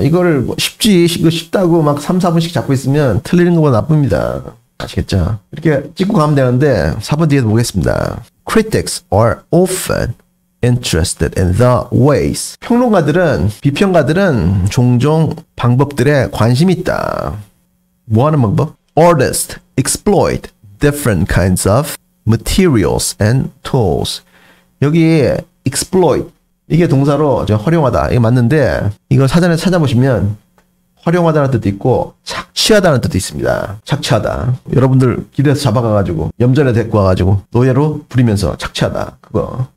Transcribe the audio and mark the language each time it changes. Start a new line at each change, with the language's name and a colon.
Korean: 이거를 뭐 쉽지, 이거 쉽다고 막 3, 4분씩 잡고 있으면 틀리는 거보다 나쁩니다. 아시겠죠? 이렇게 찍고 가면 되는데 4번 뒤에도 보겠습니다.
English: Critics are often interested in the ways.
Korean: 평론가들은, 비평가들은 종종 방법들에 관심이 있다. 뭐 하는 방법?
English: Artists exploit different kinds of materials and tools.
Korean: 여기 exploit, 이게 동사로 활용하다, 이게 맞는데 이걸 사전에 찾아보시면 활용하다는 뜻도 있고 착취하다는 뜻도 있습니다. 착취하다. 여러분들 길에서 잡아가가지고 염전에 데리고 와가지고 노예로 부리면서 착취하다. 그거.